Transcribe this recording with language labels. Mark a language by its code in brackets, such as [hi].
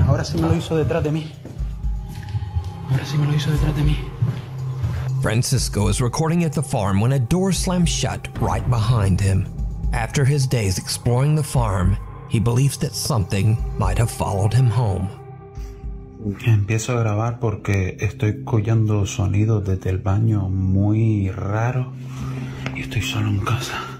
[es] Ahora sí me lo hizo detrás de mí. Ahora sí me lo hizo detrás de mí. [en] Francisco is recording at the farm when a door slams shut right behind him. After his days exploring the farm, he believes that something might have followed him home. [es] Empiezo a grabar porque estoy escuchando sonidos desde el baño muy raro y estoy solo en casa.